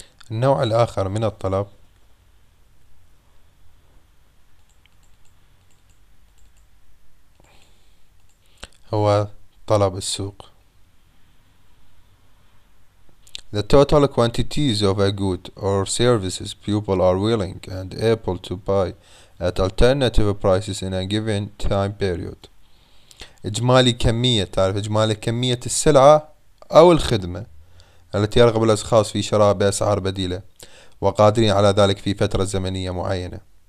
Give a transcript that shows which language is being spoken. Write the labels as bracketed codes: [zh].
[ar] النوع الآخر من الطلب هو طلب السوق. [en] The total quantities of a good or services people are willing and able to buy at alternative prices in a given time period [ar] إجمالي كمية، تعرف إجمالي كمية السلعة أو الخدمة التي يرغب الأشخاص في شرائها بأسعار بديلة وقادرين على ذلك في فترة زمنية معينة.